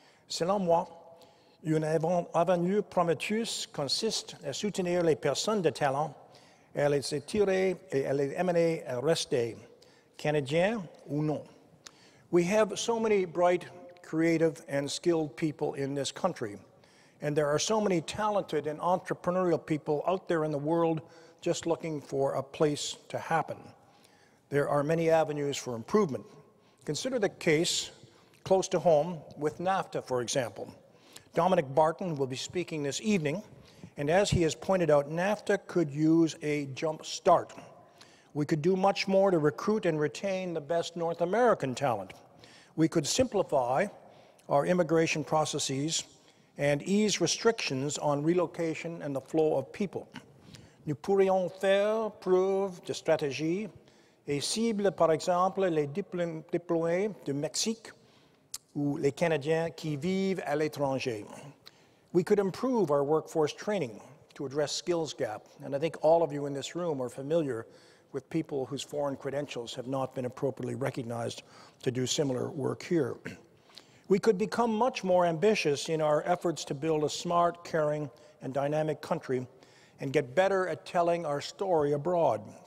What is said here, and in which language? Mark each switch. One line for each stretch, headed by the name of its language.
French: Selon moi, une avenue prometteuse consiste à soutenir les personnes de talent, à les attirer et à les amener à rester, Canadiens ou non.
English: We have so many bright, creative, and skilled people in this country, and there are so many talented and entrepreneurial people out there in the world just looking for a place to happen. There are many avenues for improvement. Consider the case close to home with NAFTA, for example. Dominic Barton will be speaking this evening, and as he has pointed out, NAFTA could use a jump start. We could do much more to recruit and retain the best North American talent. We could simplify our immigration processes and ease restrictions on relocation and the flow of people.
French: Nous pourrions faire preuve de stratégie et cible, par exemple, les diplômés du Mexique ou les Canadiens qui vivent à l'étranger.
English: We could improve our workforce training to address skills gap. And I think all of you in this room are familiar with people whose foreign credentials have not been appropriately recognized to do similar work here. We could become much more ambitious in our efforts to build a smart, caring, and dynamic country and get better at telling our story abroad.